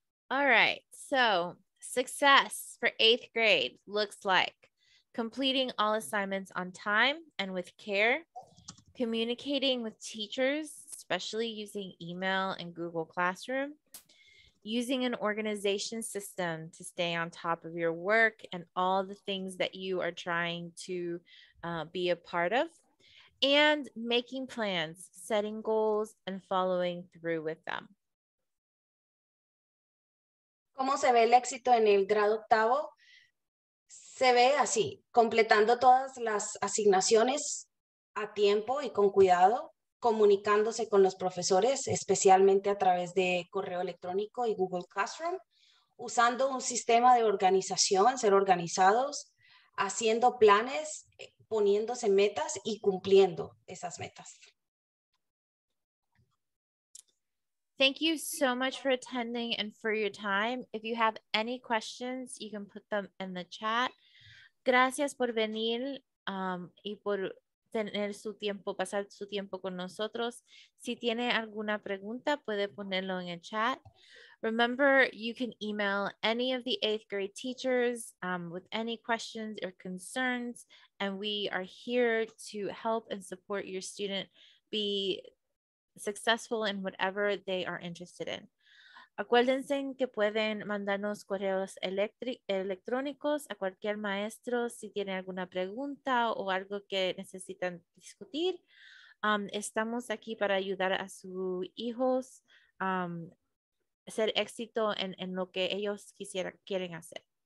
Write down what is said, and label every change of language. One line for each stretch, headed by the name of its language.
English: All right, so success for eighth grade looks like completing all assignments on time and with care, communicating with teachers, especially using email and Google Classroom, using an organization system to stay on top of your work and all the things that you are trying to be a part of, and making plans, setting goals, and following through with them.
Spanish: ¿Cómo se ve el éxito en el grado octavo? Se ve así, completando todas las asignaciones a tiempo y con cuidado, comunicándose con los profesores, especialmente a través de correo electrónico y Google Classroom, usando un sistema de organización, ser organizados, haciendo planes, poniéndose metas y cumpliendo esas metas.
English: Thank you so much for attending and for your time. If you have any questions, you can put them in the chat.
Spanish: Gracias por venir y por tener su tiempo, pasar su tiempo con nosotros. Si tiene alguna pregunta, puede ponerlo en el chat.
English: Remember, you can email any of the eighth grade teachers with any questions or concerns, and we are here to help and support your student be successful in whatever they are interested in.
Spanish: Acuérdense que pueden mandarnos correos electrónicos a cualquier maestro si tienen alguna pregunta o algo que necesitan discutir. Estamos aquí para ayudar a sus hijos a hacer éxito en lo que ellos quieren hacer.